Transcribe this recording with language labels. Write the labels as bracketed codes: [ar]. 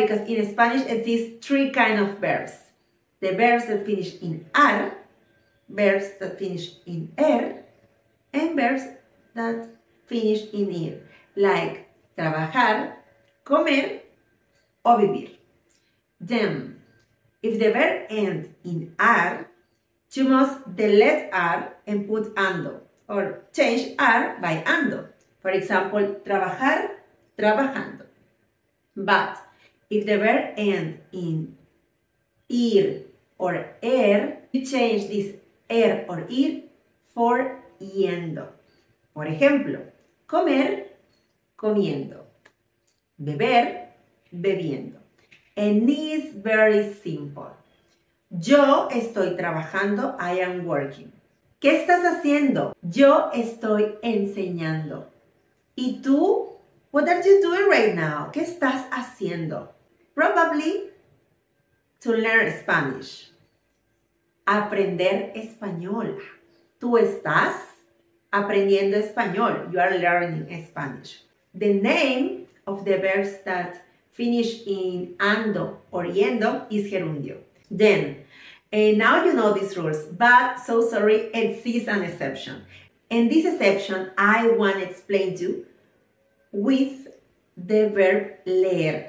[en] Because in Spanish, it is three kinds of verbs. The verbs that finish in ar, verbs that finish in er, and verbs that finish in ir, like [es] trabajar, comer, o vivir. [en] Then, if the verb ends in ar, you must delete ar and put ando, or change ar by ando. For example, trabajar, trabajando. But if the verb ends in ir or er, you change this er or ir for yendo. [es] Por ejemplo, comer, comiendo. Beber, bebiendo. [en] And it's very simple. [es] Yo estoy trabajando, [en] I am working. [es] ¿Qué estás haciendo? Yo estoy enseñando. ¿Y tú? [en] What are you doing right now? [es] ¿Qué estás haciendo? [en] Probably to learn Spanish. [es] Aprender español. Tú estás aprendiendo español. [en] You are learning Spanish. The name of the verbs that finish in ando or yendo is gerundio. Then, and now you know these rules, but so sorry, it is an exception. And this exception, I want to explain to you with the verb leer.